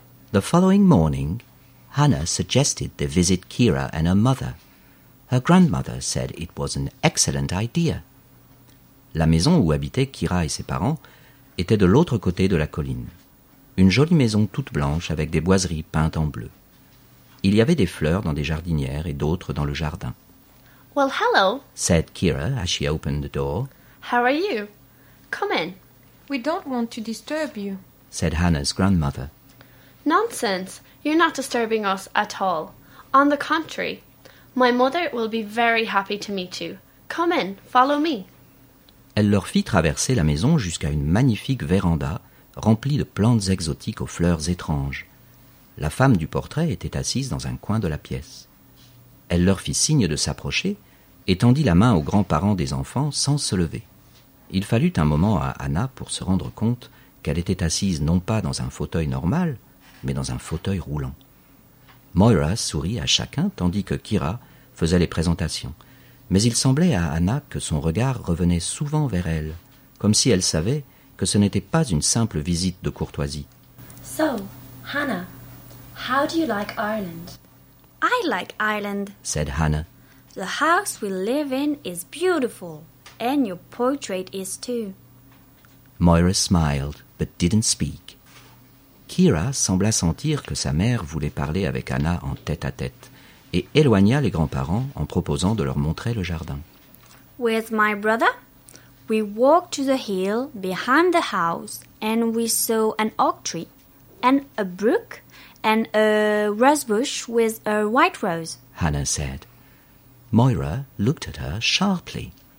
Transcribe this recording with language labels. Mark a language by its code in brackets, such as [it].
[en] The following morning, Hannah suggested they visit Kira and her mother. Her grandmother said it was an excellent idea. [fr] La maison où habitaient Kira et ses parents était de l'autre côté de la colline. Une jolie maison toute blanche avec des boiseries peintes en bleu. Il y avait des fleurs dans des jardinières et d'autres dans le jardin. [en] Well, hello, said Kira as she opened the door. How are you? Come in. We don't want to disturb you, said Hannah's grandmother. Nonsense. You're not disturbing us at all. On the contrary, my mother will be very happy to meet you. Come in, follow me. [fr] Elle leur fit traverser la maison jusqu'à une magnifique véranda remplie de plantes exotiques aux fleurs étranges. La femme du portrait était assise dans un coin de la pièce. Elle leur fit signe de s'approcher et tendit la main aux grands-parents des enfants sans se lever. Il fallut un moment à Hannah pour se rendre compte qu'elle était assise non pas dans un fauteuil normal, mais dans un fauteuil roulant. Moira sourit à chacun tandis que Kira faisait les présentations. Mais il semblait à Hannah que son regard revenait souvent vers elle, comme si elle savait que ce n'était pas une simple visite de courtoisie. [en] So, Hannah, how do you like Ireland? I like Ireland, said Hannah. The house we live in is beautiful, and your portrait is too. Moira smiled, but didn't speak. [fr] Kira sembla sentir que sa mère voulait parler avec Hannah en tête à tête, et éloigna les grands-parents en proposant de leur montrer le jardin. [en] With my brother, we walked to the hill behind the house, and we saw an oak tree, and a brook, and a rose bush with a white rose, Hannah said. Moira looked at her sharply.